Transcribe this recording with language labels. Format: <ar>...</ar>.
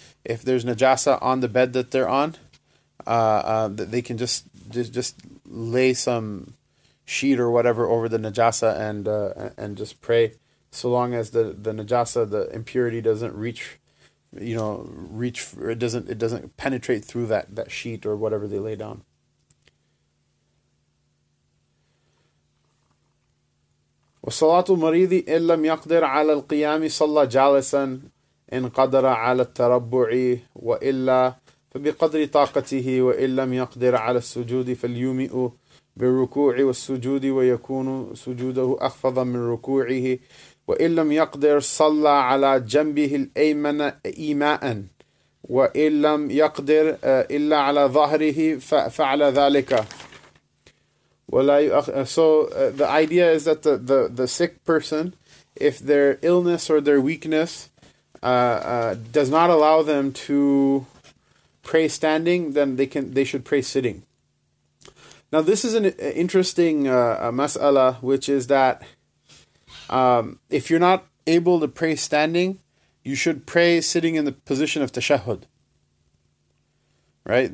<en>If there's najasa on the bed that they're on, that they can just lay some sheet or whatever over the najasa and just pray. So long as the najasa, the impurity, doesn't reach you know, reach for, it doesn't penetrate through that sheet or whatever they lay down.</en> <ar>وصلاة المريض إن لم يقدر على القيام صلى جالسا إن قدر على التربع وإلا فبقدر طاقته وإن لم يقدر على السجود فليومئ بالركوع والسجود ويكون سجوده أخفض من ركوعه وإن لم يقدر صلى على جنبه الأيمن إيماء وإن لم يقدر إلا على ظهره فعل ذلك.</ar> <en>The idea is that the sick person, if their illness or their weakness does not allow them to pray standing, then they should pray sitting. Now, this is an interesting mas'ala, which is that if you're not able to pray standing, you should pray sitting in the position of tashahud. Right?</en>